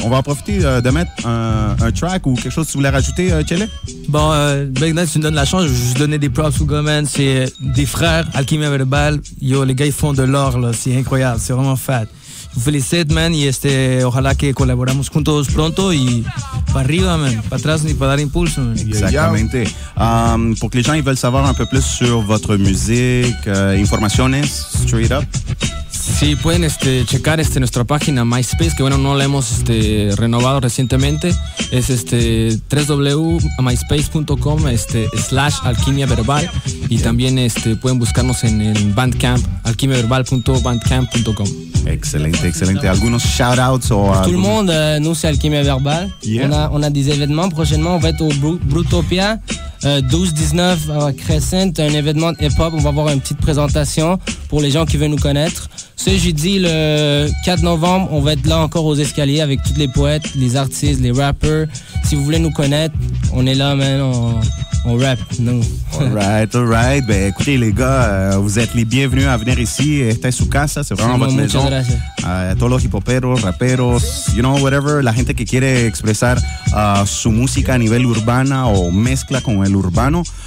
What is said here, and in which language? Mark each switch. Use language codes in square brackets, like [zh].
[fr] On va profiter de mettre un track ou quelque chose que tu voulais rajouter, Chele? Bon, maintenant, si tu me donnes la chance, je vais juste donner des props au Gomen. C'est des frères, Alchimia Verbal. Yo, les gars, ils font de l'or, là. C'est incroyable. C'est vraiment fat. Je vous félicite, man. Et [es] ojalá que collaboramos juntos pronto. [fr] Et [es] para arriba, man. Para atrás, ni para dar impulso, man. [fr] Exactement. Pour que les gens ils veulent savoir un peu plus sur votre musique, informations, [en] straight up. [es] Sí, pueden checar nuestra página MySpace, que bueno, no la hemos renovado recientemente. Es www.myspace.com /alquimiaverbal. Y también pueden buscarnos en el Bandcamp, alquimiaverbal.bandcamp.com. Excelente, excelente. ¿Algunos shoutouts o algo? Todo el mundo, no sé, Alquimia Verbal. [en] Yeah. [fr] On a des événements. Prochainement, on va être au Brutopia. 12-19 Crescent, un événement hip-hop. On va avoir une petite présentation pour les gens qui veulent nous connaître. Ce jeudi, le 4 novembre, on va être là encore aux escaliers avec tous les poètes, les artistes, les rappers. Si vous voulez nous connaître, on est là, man. On rap, nous. [en] All right. [fr] Ben, écoutez, les gars, vous êtes les bienvenus à venir ici. [es] Esta es su casa, [fr] c'est vraiment votre maison. [es] Todos los hip-hoperos, raperos, [en] you know, whatever. [es] La gente que quiere expresar su música a nivel urbana o mezcla con el urbano.